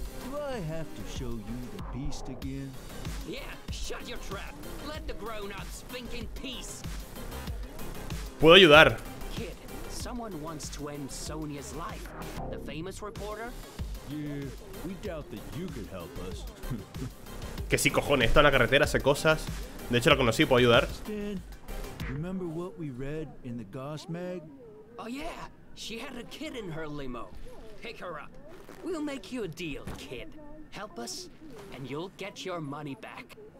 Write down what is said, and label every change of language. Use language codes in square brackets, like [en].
[en] Do I have to show you the beast again? Yeah, shut your trap. Let the grown-ups think in peace. [es] Puedo ayudar. [en] Kid, someone wants to end Sonia's life. The famous reporter? Yeah, we doubt that you could help us. [es] Que sí, cojones, está en la carretera, hace cosas. De hecho, la conocí, puedo ayudar. [en] Stan, remember what we read in the Goss Mag? Oh, yeah. She had a kid in her limo. Pick her up. We'll make you a deal, kid. Help us, and you'll get your money back.